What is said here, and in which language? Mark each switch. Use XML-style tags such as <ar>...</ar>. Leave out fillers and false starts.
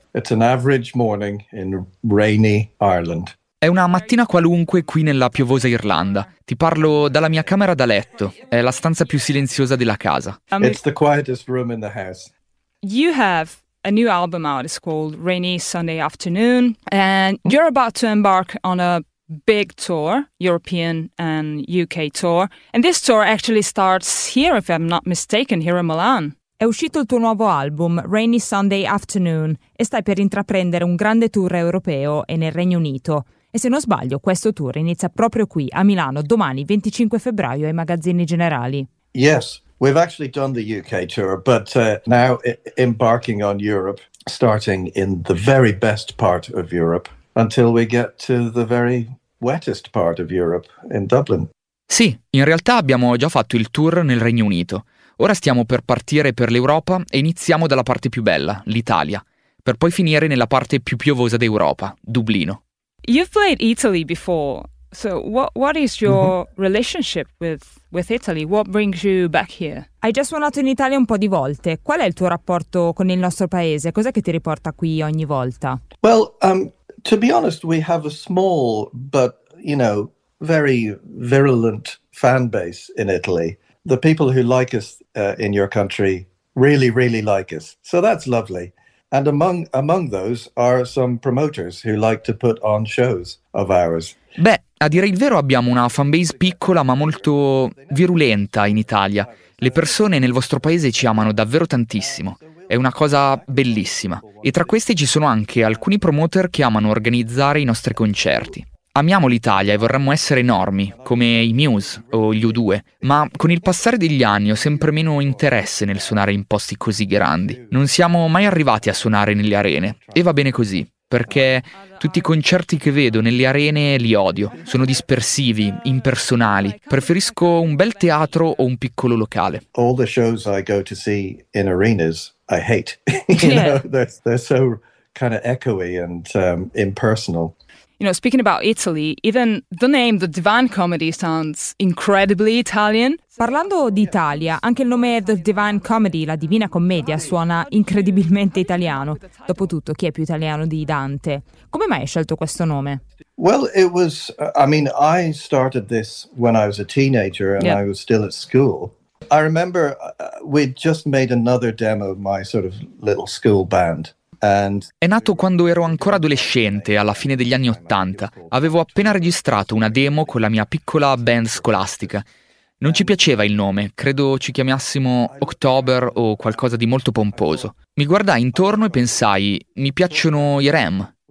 <en>It's an average morning in rainy Ireland.</en> <it>È una mattina qualunque qui nella piovosa Irlanda. Ti parlo dalla mia camera da letto. È la stanza più silenziosa della casa.</it> <en>It's the quietest room in the house. You have a new album out. It's called Rainy Sunday Afternoon. And you're about to embark on a big tour, European and UK tour. And this tour actually starts here, if I'm not mistaken, here in Milan.</en> <it>È uscito il tuo nuovo album, Rainy Sunday Afternoon, e stai per intraprendere un grande tour europeo e nel Regno Unito. E se non sbaglio, questo tour inizia proprio qui, a Milano, domani, 25 febbraio, ai Magazzini Generali.</it> <en>Yes, we've actually done the UK tour, but now embarking on Europe, starting in the very best part of Europe, until we get to the very wettest part of Europe, in Dublin.</en> <it>Sì, in realtà abbiamo già fatto il tour nel Regno Unito. Ora stiamo per partire per l'Europa e iniziamo dalla parte più bella, l'Italia, per poi finire nella parte più piovosa d'Europa, Dublino.</it> <en>You've played Italy before, so what is your relationship with Italy? What brings you back here?</en> <it>Hai già suonato in Italia un po' di volte. Qual è il tuo rapporto con il nostro paese? Cos'è che ti riporta qui ogni volta?</it> <en>Well, To be honest, we have a small but, you know, very virulent fan base in Italy. The people who like us in your country really, really like us. So that's lovely. And among those are some promoters who like to put on shows of ours.</en> <it>Beh, a dire il vero abbiamo una fanbase piccola ma molto virulenta in Italia. Le persone nel vostro paese ci amano davvero tantissimo. È una cosa bellissima. E tra queste ci sono anche alcuni promoter che amano organizzare i nostri concerti. Amiamo l'Italia e vorremmo essere enormi, come i Muse o gli U2, ma con il passare degli anni ho sempre meno interesse nel suonare in posti così grandi. Non siamo mai arrivati a suonare nelle arene, e va bene così, perché tutti i concerti che vedo nelle arene li odio, sono dispersivi, impersonali. Preferisco un bel teatro o un piccolo locale.</it> <en>All the shows I go to see in arenas I hate. You know, they're so kind of echoey and impersonal. You know, speaking about Italy, even the name The Divine Comedy sounds incredibly Italian.</en> <it>Parlando d'Italia, anche il nome The Divine Comedy, la Divina Commedia, suona incredibilmente italiano. Dopotutto, chi è più italiano di Dante? Come mai hai scelto questo nome?</it> <en>Well, it was, I mean, I started this when I was a teenager and I was still at school. I remember we'd just made another demo of my sort of little school band.</en> <it>È nato quando ero ancora adolescente, alla fine degli anni Ottanta. Avevo appena registrato una demo con la mia piccola band scolastica. Non ci piaceva il nome, credo ci chiamassimo October o qualcosa di molto pomposo. Mi guardai intorno e pensai, mi piacciono i Rem.</it>